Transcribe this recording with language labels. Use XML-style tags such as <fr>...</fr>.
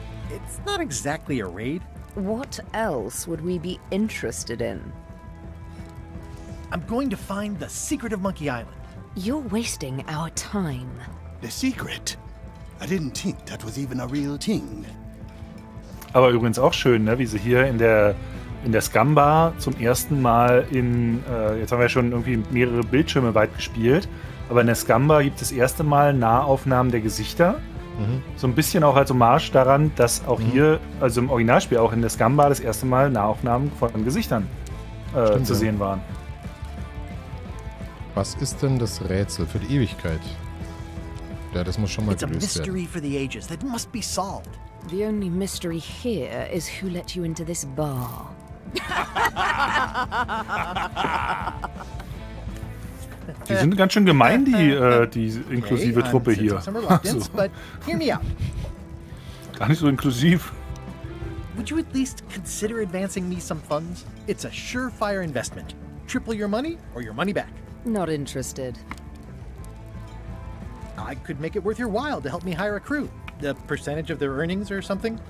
<en>It's not exactly a raid. What else would we be interested in? I'm going to find the secret of Monkey Island. You're wasting our time. The secret? I didn't think that was even a real thing.</en> <de>Aber übrigens auch schön, ne, wie sie hier in der Scamba zum ersten Mal jetzt haben wir schon irgendwie mehrere Bildschirme weit gespielt, aber in der Scamba gibt es das erste Mal Nahaufnahmen der Gesichter. Mhm. So ein bisschen auch als Hommage daran, dass auch hier, also im Originalspiel, auch in der Scamba das erste Mal Nahaufnahmen von Gesichtern zu sehen waren. Was ist denn das Rätsel für die Ewigkeit? Ja, das muss schon mal gelöst werden.</de> <en>It's a mystery for the ages. That must be solved. The only mystery here is who let you into this bar.</en> <de>Die sind ganz schön gemein, die inklusive Truppe hier.</de> <en>But hear me out.</en> <de>Gar nicht so inklusiv.</de> <en>Would you at least consider advancing me some funds? It's a surefire investment. Triple your money or your money back. Not interested. I could make it worth your while to help me hire a crew. A percentage of their earnings or something?</en>